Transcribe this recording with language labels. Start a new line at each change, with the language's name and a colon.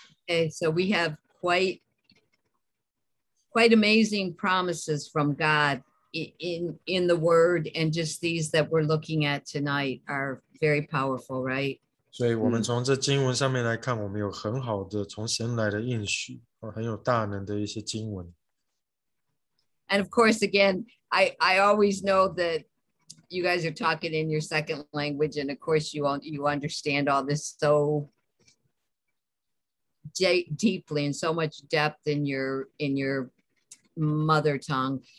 English: Okay, so we have quite amazing promises from God in the word, and just these that we're looking at tonight are very powerful, right?
Chinese: 所以我们从这经文上面来看，我们有很好的从神来的应许，很有大能的一些经文。
English: And of course, again, I always know that you guys are talking in your second language, and of course, you understand all this so deeply and so much depth in your mother tongue.